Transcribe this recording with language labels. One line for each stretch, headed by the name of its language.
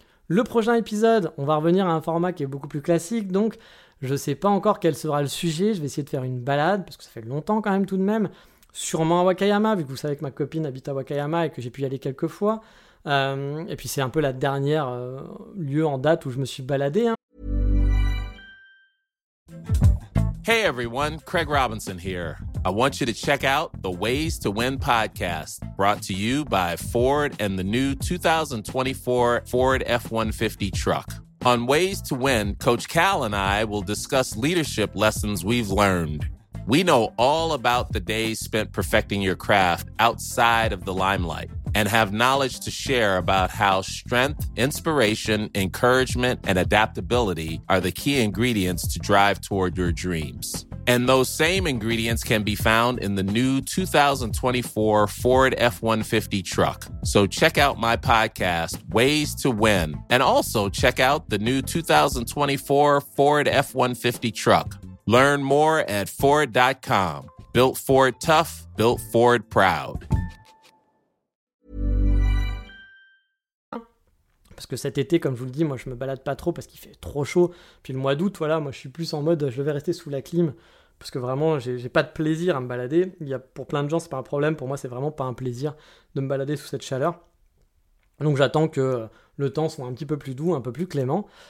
French: Le prochain épisode, on va revenir à un format qui est beaucoup plus classique, donc je ne sais pas encore quel sera le sujet. Je vais essayer de faire une balade, parce que ça fait longtemps quand même tout de même. Sûrement à Wakayama, vu que vous savez que ma copine habite à Wakayama et que j'ai pu y aller quelques fois. Et puis c'est un peu la dernière lieu en date où je me suis baladé. Hein.
English: Hey everyone, Craig Robinson here. I want you to check out the Ways to Win podcast, brought to you by Ford and the new 2024 Ford F-150 truck. On Ways to Win, Coach Cal and I will discuss leadership lessons we've learned. We know all about the days spent perfecting your craft outside of the limelight and have knowledge to share about how strength, inspiration, encouragement, and adaptability are the key ingredients to drive toward your dreams. And those same ingredients can be found in the new 2024 Ford F-150 truck. So check out my podcast, Ways to Win, and also check out the new 2024 Ford F-150 truck. Learn more at Ford.com. Built Ford tough, built Ford proud.
French: Parce que cet été, comme je vous le dis, moi je me balade pas trop parce qu'il fait trop chaud. Puis le mois d'août, voilà, moi je suis plus en mode je vais rester sous la clim. Parce que vraiment, j'ai pas de plaisir à me balader. Il y a, pour plein de gens, c'est pas un problème. Pour moi, c'est vraiment pas un plaisir de me balader sous cette chaleur. Donc j'attends que le temps soit un petit peu plus doux, un peu plus clément.